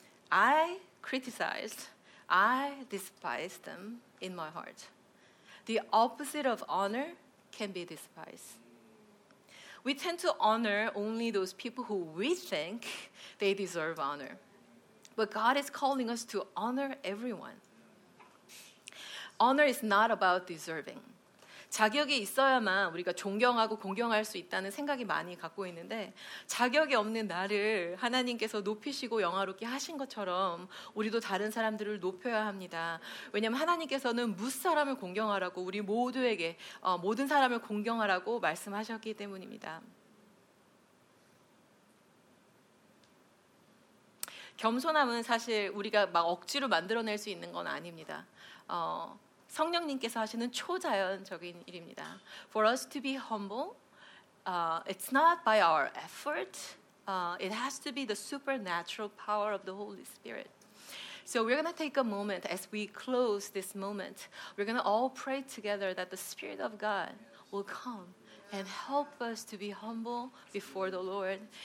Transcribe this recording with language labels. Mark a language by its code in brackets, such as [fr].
[en] I criticized, I despised them in my heart. The opposite of honor can be despised. We tend to honor only those people who we think they deserve honor. But God is calling us to honor everyone. Honor is not about deserving. [ko] 자격이 있어야만 우리가 존경하고 공경할 수 있다는 생각이 많이 갖고 있는데 자격이 없는 나를 하나님께서 높이시고 영화롭게 하신 것처럼 우리도 다른 사람들을 높여야 합니다. 왜냐하면 하나님께서는 무사람을 공경하라고 우리 모두에게 모든 사람을 공경하라고 말씀하셨기 때문입니다. 겸손함은 사실 우리가 막 억지로 만들어낼 수 있는 건 아닙니다. 성령님께서 하시는 초자연적인 일입니다. [en] For us to be humble, it's not by our effort. It has to be the supernatural power of the Holy Spirit. So we're going to take a moment as we close this moment. We're going to all pray together that the Spirit of God will come and help us to be humble before the Lord.